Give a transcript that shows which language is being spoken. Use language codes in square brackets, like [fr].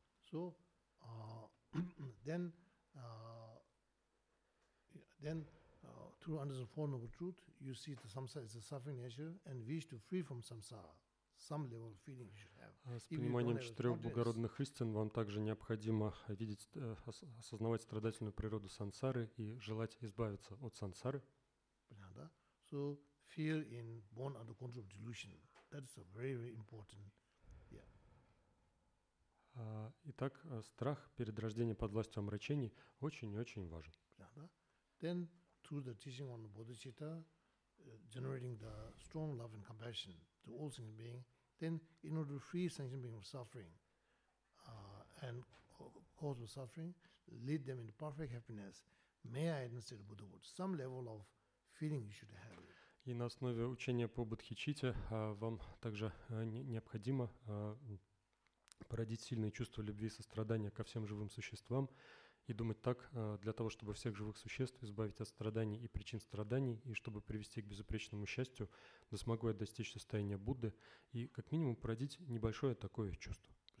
[en] So, through understanding the Four Noble Truths, you see the samsara is a suffering nature and wish to free from samsara. Some level of feeling you should have. [ru] С пониманием четырех благородных истин вам также необходимо видеть, осознавать страдательную природу сансары и желать избавиться от сансары. [en] Понятно? So, fear in born under control of delusion. That's a very, very important. [ru] Итак, страх перед рождением под властью омрачений очень и очень важен. [en] Then, through the teaching on Bodhicitta, generating the strong love and compassion to all sentient beings, then in order to free sentient beings from suffering and cause of suffering, lead them into perfect happiness, may I understand the Buddha words. Some level of feeling you should have. [ru] И на основе учения по Бодхичитте вам также необходимо породить сильное чувство любви и сострадания ко всем живым существам и думать так, для того, чтобы всех живых существ избавить от страданий и причин страданий, и чтобы привести к безупречному счастью, да смогу я достичь состояния Будды и, как минимум, породить небольшое такое чувство.